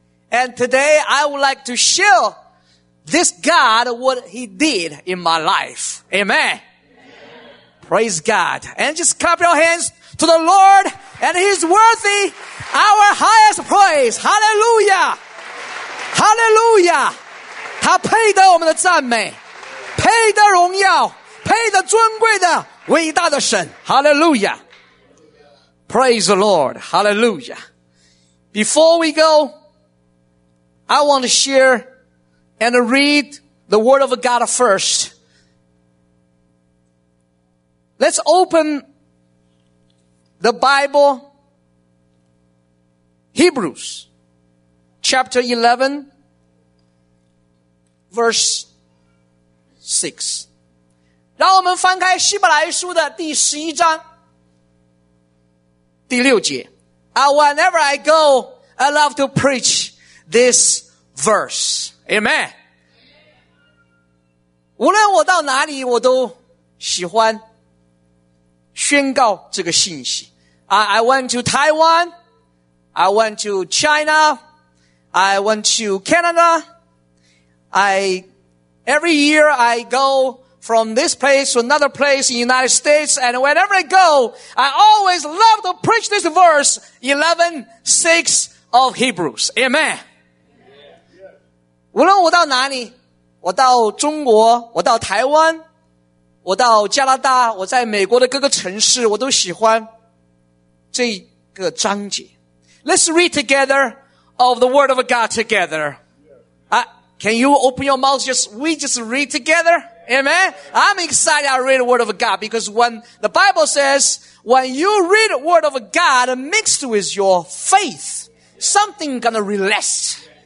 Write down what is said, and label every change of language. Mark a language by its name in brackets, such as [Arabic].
[English] And today I would like to share this God, what he did in my life. Amen. Praise God. And just clap your hands to the Lord, and he's worthy our highest praise. Hallelujah. Hallelujah! [Chinese] 他配得我们的赞美，配得荣耀，配得尊贵的伟大的神。 [English] Hallelujah! Praise the Lord! Hallelujah! Before we go, I want to share and read the Word of God first. Let's open the Bible, Hebrews chapter 11. Verse 6. [Chinese] 让我们翻开希伯来书的第十一章第六节。 [English] Whenever I go, I love to preach this verse. Amen. [Chinese] 无论我到哪里，我都喜欢宣告这个信息。 [English] I went to Taiwan. I went to China. I went to Canada. Every year I go from this place to another place in the United States, and whenever I go, I always love to preach this verse, 11:6 of Hebrews. Amen. Yeah. [Chinese] 无论我到哪里，我到中国，我到台湾，我到加拿大，我在美国的各个城市，我都喜欢这个章节。 [English] Let's read together of the word of God together. Can you open your mouth? We just read together. Amen. I'm excited to read the word of God because when the Bible says, when you read the word of God mixed with your faith, something gonna release.